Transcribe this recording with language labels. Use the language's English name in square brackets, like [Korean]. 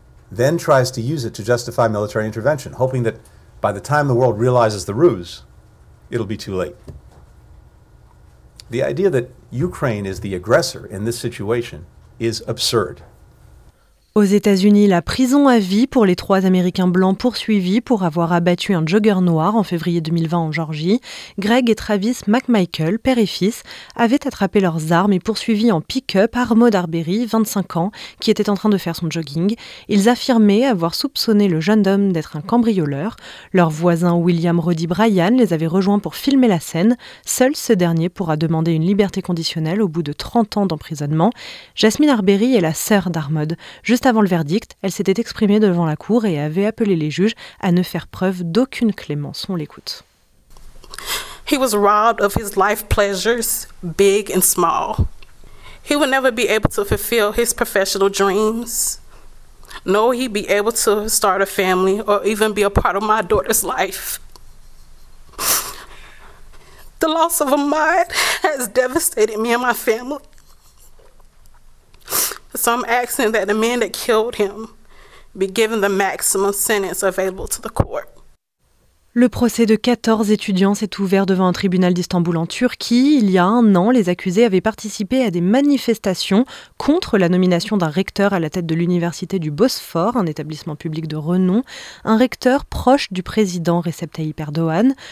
[English] Then tries to use it to justify military intervention, hoping that by the time the world realizes the ruse, it'll be too late. The idea that Ukraine is the aggressor in this situation is absurd. [French] Aux États-Unis, la prison à vie pour les trois Américains blancs poursuivis pour avoir abattu un jogger noir en février 2020 en Géorgie. Greg et Travis McMichael, père et fils, avaient attrapé leurs armes et poursuivi en pick-up Armaud Arbery, 25 ans, qui était en train de faire son jogging. Ils affirmaient avoir soupçonné le jeune homme d'être un cambrioleur. Leur voisin William Roddy Bryan les avait rejoints pour filmer la scène. Seul ce dernier pourra demander une liberté conditionnelle au bout de 30 ans d'emprisonnement. Jasmine Arbery est la sœur d'Armaud. Juste avant le verdict, elle s'était exprimée devant la cour et avait appelé les juges à ne faire preuve d'aucune clémence. On l'écoute. [English] He was robbed of his life pleasures, big and small. He would never be able to fulfill his professional dreams. Nor he'd be able to start a family or even be a part of my daughter's life. The loss of Ahmaud has devastated me and my family. So I'm asking that the man that killed him be given the maximum sentence available to the court. [French] Le procès de 14 étudiants s'est ouvert devant un tribunal d'Istanbul en Turquie. Il y a un an, les accusés avaient participé à des manifestations contre la nomination d'un recteur à la tête de l'université du Bosphore, un établissement public de renom, un recteur proche du président Recep Tayyip Erdogan.